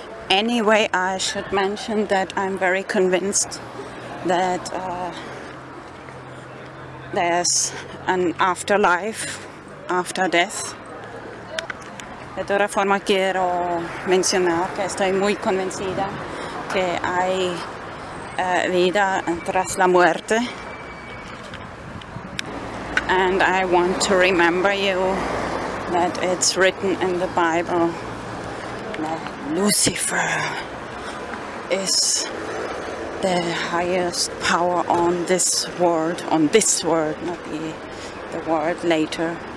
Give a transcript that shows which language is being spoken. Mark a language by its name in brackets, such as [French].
[Spanish] Anyway, I should mention that I'm very convinced that there's an afterlife, after death. [English] De toda forma, quiero mencionar que estoy muy convencida que hay vida tras la muerte. [Spanish] And I want to remember you that it's written in the Bible that Lucifer is the highest power on this world, not the world later.